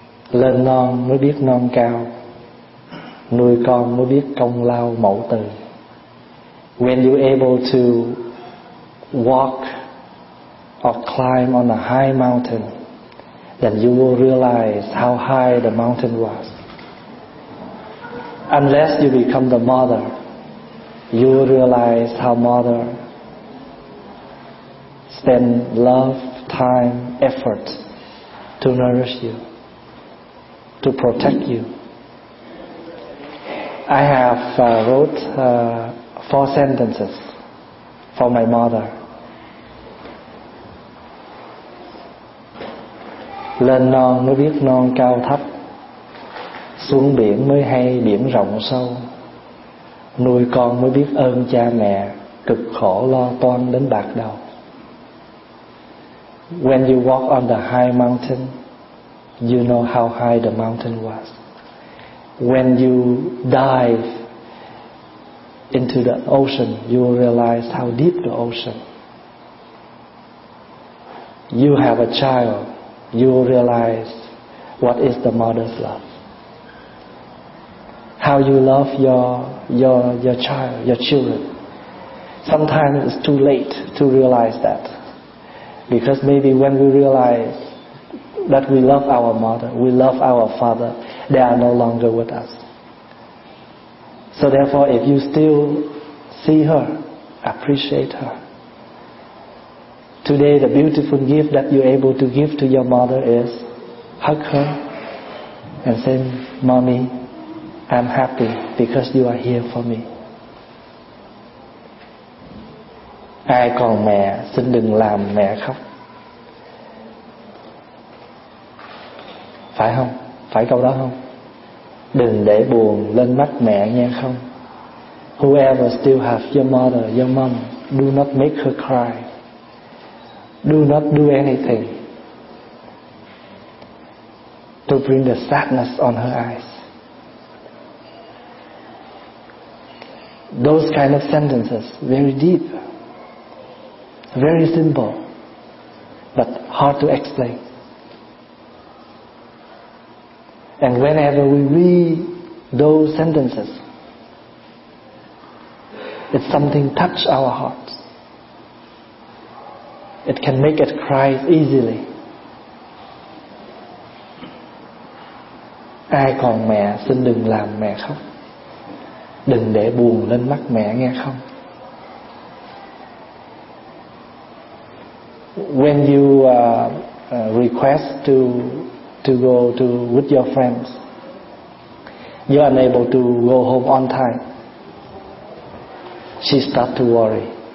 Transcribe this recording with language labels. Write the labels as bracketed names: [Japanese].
[Vietnamese] Lên non mới biết non cao, nuôi con mới biết công lao mẫu từ. [English] When you able to walk or climb on a high mountain, then you will realize how high the mountain was. Unless you become the mother, you will realize how mother spend love, time, effort to nourish you, to protect you. I have wrote 4 sentences for my mother. [Vietnamese] Lên non mới biết non cao thấp, xuống biển mới hay biển rộng sâu. Nuôi con mới biết ơn cha mẹ, cực khổ lo toan đến bạc đầu. [English] When you walk on the high mountain, you know how high the mountain was. When you dive into the ocean, you will realize how deep the ocean. You have a child, you will realize what is the mother's love. How you love your child, your children. Sometimes it's too late to realize that. Because maybe when we realize that we love our mother, we love our father, they are no longer with us. So therefore, if you still see her, appreciate her. Today, the beautiful gift that you're able to give to your mother is hug her and say, "Mommy, I'm happy because you are here for me." [Vietnamese] Ai còn mẹ, xin đừng làm mẹ khóc. Phải không? Phải câu đó không? Đừng để buồn lên mắt mẹ nghe không? [English] Whoever still have your mother, your mom, do not make her cry. Do not do anything to bring the sadness on her eyes. Those kind of sentences, very deep, very simple, but hard to explain. And whenever we read those sentences, it's something touch our hearts. It can make us cry easily. [Vietnamese] Ai còn mẹ, xin đừng làm mẹ khóc. Đừng để buồn lên mắt mẹ nghe không. [English] When you request to go to with your friends, you're unable to go home on time, she start to worry.